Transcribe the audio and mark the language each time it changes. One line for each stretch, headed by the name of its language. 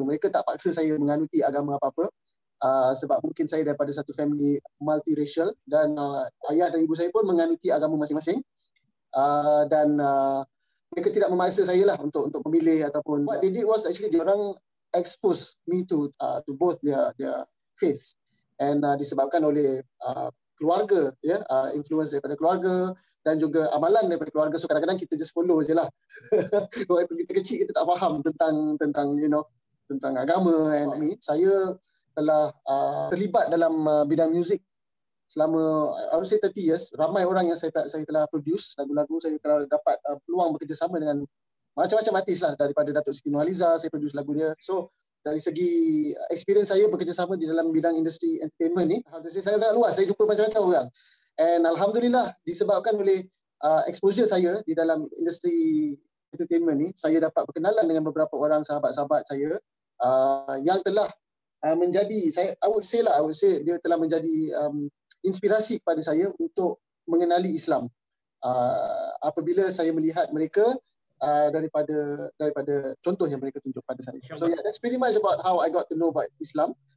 Malay: Mereka tak paksa saya menganuti agama apa-apa. Sebab mungkin saya daripada satu family multiracial. Dan ayah dan ibu saya pun menganuti agama masing-masing. Mereka tidak memaksa saya lah untuk memilih ataupun.
English: What they did was actually
Malay: diorang
English: expose me to both their faith.
Malay: And disebabkan oleh keluarga, influence daripada keluarga dan juga amalan daripada keluarga. So kadang-kadang kita
English: just follow
Malay: je lah. Waktu kita kecil kita tak faham tentang agama. And ni saya telah terlibat dalam bidang muzik selama
English: I would say 30 years.
Malay: Ramai orang yang saya telah produce lagu-lagu, saya telah dapat peluang bekerjasama dengan macam-macam artis lah, daripada Datuk Siti Nurhaliza saya produce lagunya. So dari segi experience saya bekerjasama di dalam bidang industri entertainment ni, saya sangat-sangat luas. Saya jumpa macam-macam orang. And alhamdulillah, disebabkan oleh exposure saya di dalam industri entertainment ni, saya dapat berkenalan dengan beberapa orang sahabat-sahabat saya yang telah menjadi,
English: I would say
Malay: dia telah menjadi inspirasi kepada saya untuk mengenali Islam. Apabila saya melihat mereka, daripada contoh yang mereka tunjuk pada saya.
English: So yeah, that's pretty much about how I got to know about Islam.